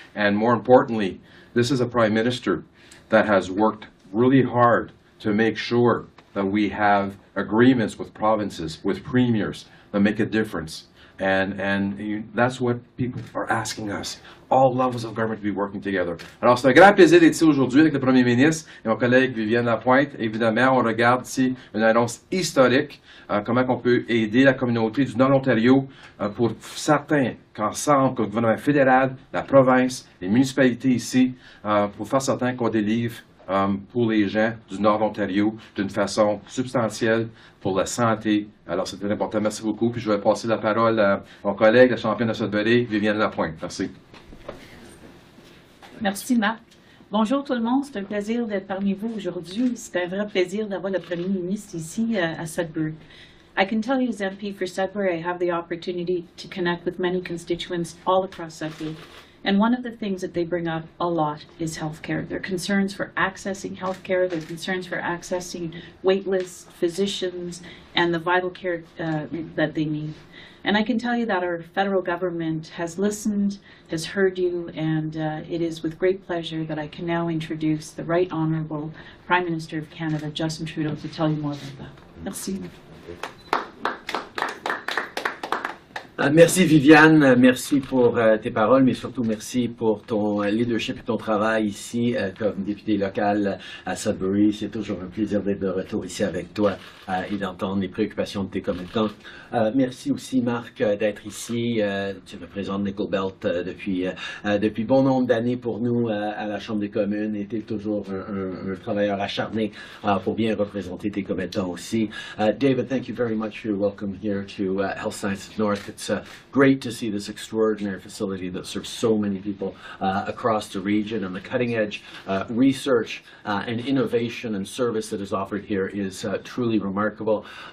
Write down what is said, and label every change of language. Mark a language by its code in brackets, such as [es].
[en] And more importantly, this is a Prime Minister that has worked really hard to make sure that we have agreements with provinces, with premiers that make a difference. And that's what people are asking us, all levels of government, to be working together. [fr] Alors, c'est un grand plaisir d'être ici aujourd'hui avec le Premier ministre et mon collègue Viviane Lapointe. Évidemment, on regarde ici une annonce historique, comment on peut aider la communauté du Nord-Ontario pour certains qu'ensemble, que le gouvernement fédéral, la province, les municipalités ici, pour faire certain qu'on délivre pour les gens du Nord-Ontario d'une façon substantielle pour la santé. Alors, c'était important. Merci beaucoup. Puis, je vais passer la parole à mon collègue, la championne de Sudbury, Viviane Lapointe. Merci. Merci, Marc. Bonjour tout le monde. C'est un plaisir d'être parmi vous aujourd'hui. C'est un vrai plaisir d'avoir le premier ministre ici à Sudbury. [en] I can tell you as MP for Sudbury, I have the opportunity to connect with many constituents all across Sudbury. And one of the things that they bring up a lot is healthcare. Their concerns for accessing healthcare, their concerns for accessing waitlist physicians, and the vital care that they need. And I can tell you that our federal government has listened, has heard you, and it is with great pleasure that I can now introduce the Right Honourable Prime Minister of Canada, Justin Trudeau, to tell you more about that. [fr] Merci. Merci Viviane, merci pour tes paroles, mais surtout merci pour ton leadership et ton travail ici comme députée locale à Sudbury. C'est toujours un plaisir d'être de retour ici avec toi et d'entendre les préoccupations de tes commettants. Merci aussi Marc d'être ici. Tu représentes Nickel Belt depuis bon nombre d'années pour nous à la Chambre des communes et tu es toujours un travailleur acharné pour bien représenter tes commettants aussi. [en] David, thank you very much for your welcome here to Health Sciences North. It's great to see this extraordinary facility that serves so many people across the region, and the cutting edge research and innovation and service that is offered here is truly remarkable.